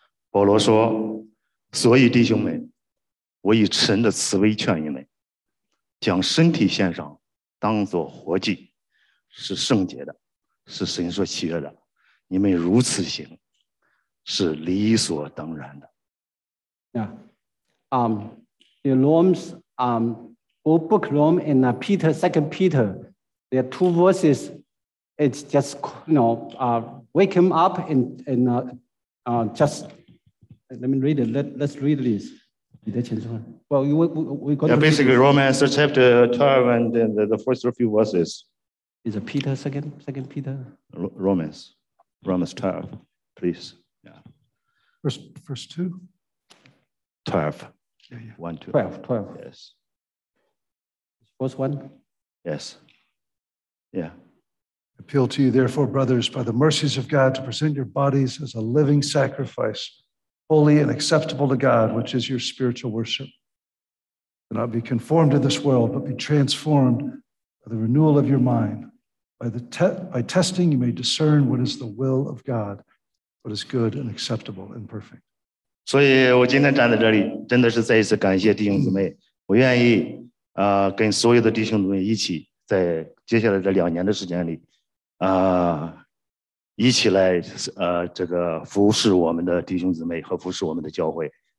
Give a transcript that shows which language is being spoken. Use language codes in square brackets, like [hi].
[zh] 保罗说：“所以弟兄们。” 我以神的慈悲劝你们，将身体献上，当作活祭，是圣洁的，是神所喜悦的。你们如此行，是理所当然的。 [en] Yeah, the Romans, old book Rome and Peter, Second Peter, there are two verses. It's just you know, wake him up and just let me read it. Let's read this. Well, we got yeah, basically, Romans chapter 12 and the first few verses. Is it Peter, second Peter? Romans 12, please. Yeah. First two? 12. Yeah, yeah. 12. Yes. First one? Yes. Yeah. Appeal to you, therefore, brothers, by the mercies of God, to present your bodies as a living sacrifice, holy and acceptable to God, which is your spiritual worship. Do not be conformed to this world, but be transformed by the renewal of your mind. By testing, you may discern what is the will of God, what is good and acceptable and perfect. [zh] 所以我今天站在这里，真的是再一次感谢弟兄姊妹。我愿意，跟所有的弟兄姊妹一起，在接下来这两年的时间里，一起来，这个服侍我们的弟兄姊妹和服侍我们的教会，